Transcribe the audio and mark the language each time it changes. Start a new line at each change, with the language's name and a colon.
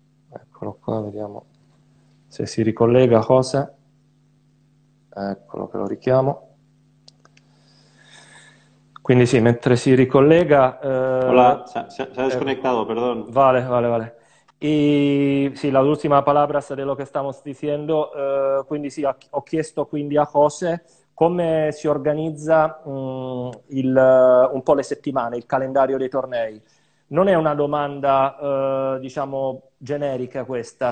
Italian: Eccolo qua, vediamo se si ricollega José. Eccolo che lo richiamo. Quindi sì, mentre si ricollega,
Spanish: Hola, se ha desconectado, perdón. vale.
Italian: E sì, l'ultima parola di quello che stiamo dicendo, quindi sì, ho chiesto quindi a José come si organizza un po' le settimane, il calendario dei tornei. Non è una domanda, diciamo, generica questa.